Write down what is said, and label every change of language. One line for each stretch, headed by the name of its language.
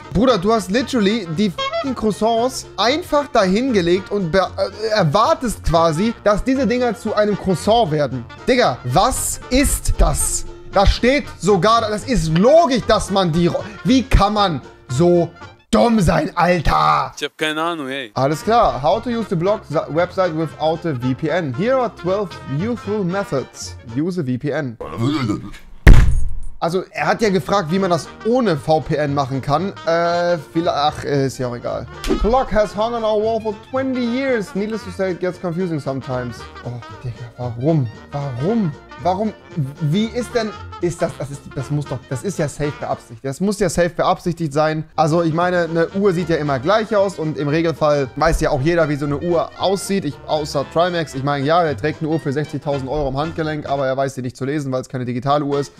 German: Bruder, du hast literally die f***ing Croissants einfach dahingelegt und erwartest quasi, dass diese Dinger zu einem Croissant werden. Digga, was ist das? Da steht sogar, das ist logisch, dass man die rollt. Wie kann man so dumm sein, Alter. Ich hab keine Ahnung, ey. Alles klar.
English: How to use the block website without a VPN. Here are 12 useful methods. Use a VPN.
German: Also, er hat ja gefragt, wie man das ohne VPN machen kann. Ist ja auch egal.
English: Clock has hung on our wall for 20 years. Needless to say, it gets confusing sometimes.
German: Oh, Digga, warum? Warum? Warum? Wie ist denn... Das ist ja safe beabsichtigt. Das muss ja safe beabsichtigt sein. Also ich meine, eine Uhr sieht ja immer gleich aus und im Regelfall weiß ja auch jeder, wie so eine Uhr aussieht. Außer Trimax. Ich meine, ja, er trägt eine Uhr für 60.000 Euro am Handgelenk, aber er weiß sie nicht zu lesen, weil es keine digitale Uhr ist.